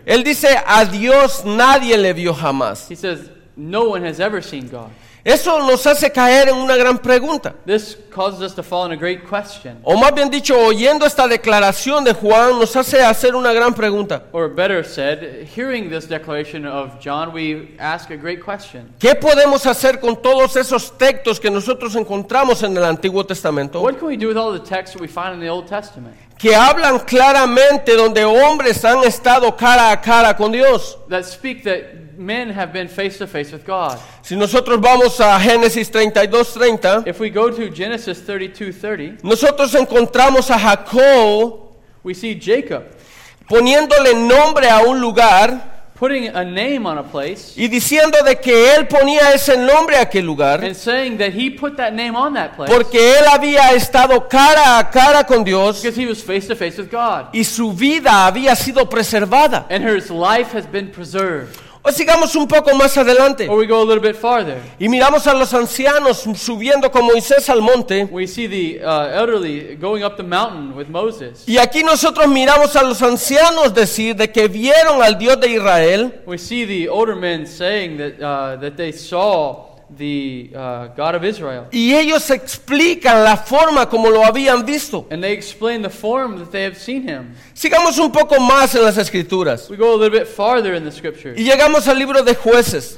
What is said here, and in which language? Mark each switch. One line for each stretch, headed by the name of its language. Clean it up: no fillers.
Spanish: Él dice: a Dios nadie le vio jamás.
English: He says, no one has ever seen God.
Spanish: Eso nos hace caer en una gran pregunta.
English: This causes us to fall in a great question.
Spanish: O más bien dicho, oyendo esta declaración de Juan, nos hace hacer una gran pregunta.
English: Or better said, hearing this declaration of John, we ask a great question.
Spanish: ¿Qué podemos hacer con todos esos textos que nosotros encontramos en el Antiguo Testamento?
English: What can we do with all the texts we find in the Old Testament?
Spanish: Que hablan claramente donde hombres han estado cara a cara con Dios.
English: That speak that men have been face to face with God.
Spanish: Si nosotros vamos a Génesis 32:30,
English: if we go to Genesis 32:30,
Spanish: nosotros encontramos a Jacob,
English: we see Jacob
Spanish: poniéndole nombre a un lugar,
English: putting a name on a place,
Spanish: y diciendo de que él ponía ese nombre a aquel lugar,
English: and saying that he put that name on that place,
Spanish: porque él había estado cara a cara con Dios,
English: because he was face to face with God,
Spanish: y su vida había sido preservada,
English: and his life has been preserved.
Spanish: O sigamos un poco más adelante.
English: Or we go a little bit farther.
Spanish: Y miramos a los ancianos subiendo con Moisés al monte.
English: We see the elderly going up the mountain with Moses.
Spanish: Y aquí nosotros miramos a los ancianos decir de que vieron al Dios de Israel.
English: We see the older men saying that that they saw the God of Israel.
Spanish: Y ellos explican la forma como lo habían visto.
English: And they explain the form that they have seen him.
Spanish: Sigamos un poco más en las escrituras.
English: We go a little bit farther in the scriptures.
Spanish: Y llegamos al libro de Jueces.